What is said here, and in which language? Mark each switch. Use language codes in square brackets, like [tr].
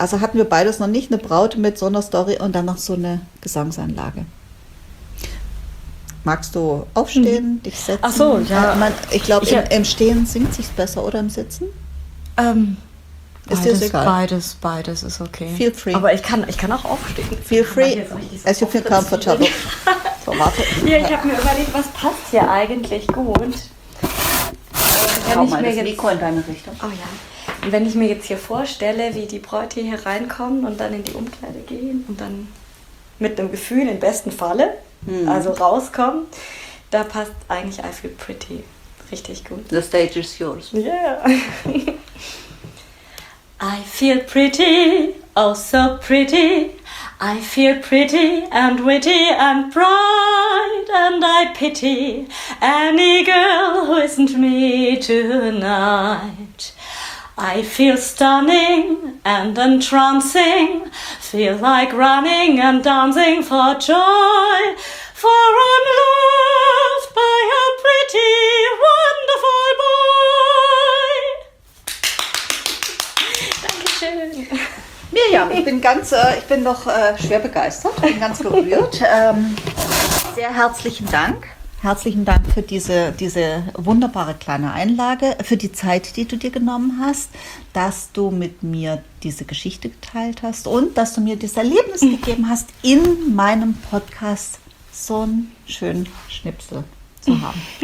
[de] Also hatten wir beides noch nicht, eine Braut mit so einer Story und dann noch so eine Gesangseinlage. Magst du aufstehen, dich setzen? Ach so, ja. Ich glaube, im Stehen singt sich's besser oder im Sitzen? Ist beides, dir egal? Beides ist okay. [en] Feel free. [de] Aber ich kann auch aufstehen. [en] Feel free, as you feel comfortable. [de] So, warte. Ja, ich habe mir überlegt, was passt hier eigentlich gut. Schau mal das Mikro in deine Richtung. Oh ja. Und wenn ich mir jetzt hier vorstelle, wie die Bräute hier reinkommen und dann in die Umkleide gehen und dann mit einem Gefühl im besten Falle, also rauskommen, da passt eigentlich I Feel Pretty richtig gut. [en] The stage is yours. Yeah. I feel pretty, oh so pretty. I feel pretty and witty and bright. And I pity any girl who isn't me tonight. I feel stunning and entrancing, feel like running and dancing for joy, for I'm loved by a pretty, wonderful boy. [de] Dankeschön. Mirjam, ich bin noch schwer begeistert, bin ganz gerührt. Sehr herzlichen Dank. Herzlichen Dank für diese wunderbare kleine Einlage, für die Zeit, die du dir genommen hast, dass du mit mir diese Geschichte geteilt hast und dass du mir dieses Erlebnis gegeben hast, in meinem Podcast so einen schönen Schnipsel zu haben.